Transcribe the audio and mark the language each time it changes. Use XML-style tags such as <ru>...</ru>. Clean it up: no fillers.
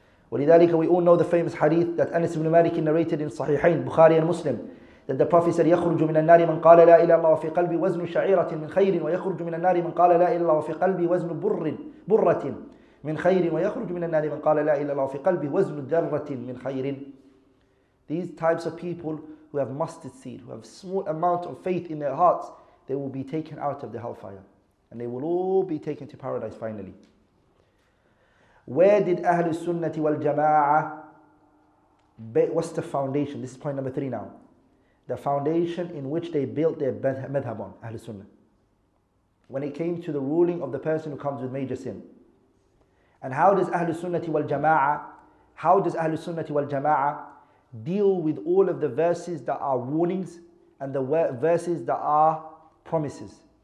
<ar>ولذلك,</ar> <en>we all know the famous hadith that Anas ibn Malik narrated in Sahihain, Bukhari and Muslim, that the Prophet said,</en> <ar>يَخْرُجُ مِنَ النَّارِ مَنْ قَالَ لَا إِلَى اللَّهُ فِي قَلْبِ وَزْنُ شَعِيرَةٍ مِنْ خَيْرٍ وَيَخْرُجُ مِنَ النَّارِ مَنْ قَالَ لَا إِلَى اللَّهُ فِي قَلْبِ وَزْنُ بُرَّةٍ من خير ويخرج من النار من قال لا إله إلا الله في قلبه وزن ذرة من خير.</ar> <en>These types of people who have mustard seed, who have small amount of faith in their hearts, they will be taken out of the hellfire, and they will all be taken to paradise finally. Where did أهل السنة والجماعة? What's the foundation? This is point number three now. The foundation in which they built their madhab on أهل السنة. When it came to the ruling of the person who comes with major sin. And how does Ahlul Sunnati wal Jama'ah, how does Ahlul Sunnati wal Jama'ah deal with all of the verses that are warnings and the verses that are promises?</en>